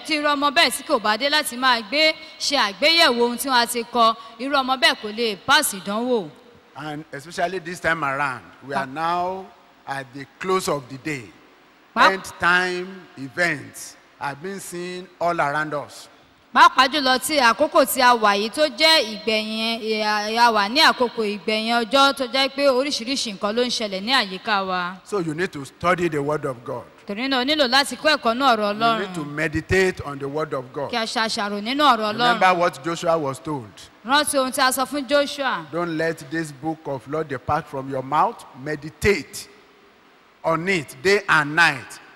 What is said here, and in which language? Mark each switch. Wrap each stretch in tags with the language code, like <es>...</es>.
<yo>Tí irú ọmọ bẹ́ẹ̀ sí kò bá dé láti máa gbé ṣe àgbéyẹ̀wò ohun tí wọ́n ti kọ, irú ọmọ bẹ́ẹ̀ kò lè páàsì ìdánwò.</yo> <en>And especially this time around, we are now at the close of the day. End time events have been seen all around us.</en> <yo>Pàápàá jùlọ tí àkókò tí a wà yìí tó jẹ́ ìgbẹ̀yìn, a wà ní àkókò ìgbẹ̀yìn ọjọ́ tó jẹ́ pé oríṣiríṣi nǹkan ló ń ṣẹlẹ̀ ní àyíká wa.</yo> <en>So you need to study the word of God.</en> <yo>Torí náà, o nílò láti kọ́ ẹ̀kọ́ nínú ọ̀rọ̀ Ọlọ́run.</yo> <en>You need to meditate on the word of God.</en> <yo>Kí a ṣàṣàrò nínú ọ̀rọ̀ Ọlọ́run.</yo> <en>Remember what Joshua was told.</en> <yo>Rántí ohun tí a sọ fún Joshua.</yo> <en>Don't let this book of law depart from your mouth. Meditate on it day and night.</en>